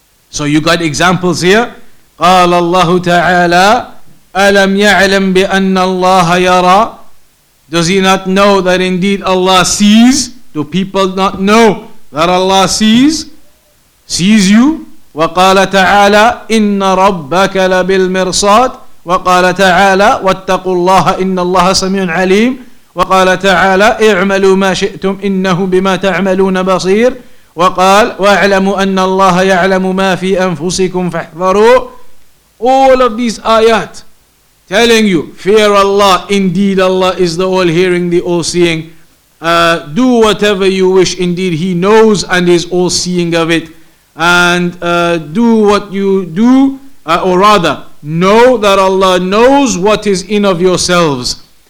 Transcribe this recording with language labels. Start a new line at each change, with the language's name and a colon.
English: So you got examples here.
Arabic: قَالَ اللَّهُ تَعَالَىٰ أَلَمْ يَعْلَمْ بِأَنَّ اللَّهَ يَرَىٰ.
English: Does he not know that indeed Allah sees? Do people not know that Allah sees you?
Arabic: وَقَالَ تَعَالَىٰ إِنَّ رَبَّكَ لَبِالْمِرْصَادِ. وقال تعالى واتقوا الله إن الله سميع عليم. وقال تعالى اعملوا ما شئتم إنه بما تعملون بصير. وقال واعلموا أن الله يعلم ما في أنفسكم فاحذروا.
English: All of these ayat telling you fear Allah, indeed Allah is the all hearing, the all seeing. Do whatever you wish, indeed He knows and is all seeing of it. And do what you do, or rather know that Allah knows what is in of yourselves.